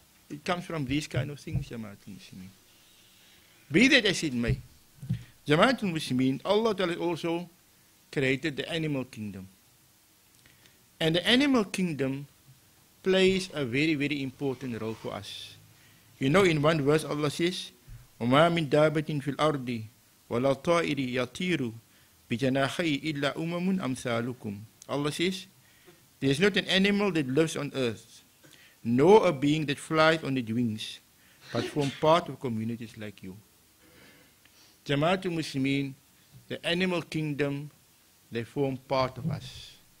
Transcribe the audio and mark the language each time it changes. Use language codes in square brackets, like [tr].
[en] It comes from these kind of things, Jamaatul Muslimin. Be that as it may, Jamaatul Muslimin, Allah Ta'ala also created the animal kingdom. And the animal kingdom plays a very, very important role for us. You know, in one verse Allah says, [ar] وَمَا مِنْ دَابَةٍ فِي الْأَرْضِ وَلَا طَائِرِ يَطِيرُ بِجَنَاحَيْ إِلَّا أُمَمٌ أَمْثَالُكُمْ. [en] Allah says, there is not an animal that lives on earth, nor a being that flies on its wings, but form part of communities like you. Jamaatul Muslimin, the animal kingdom, they form part of us.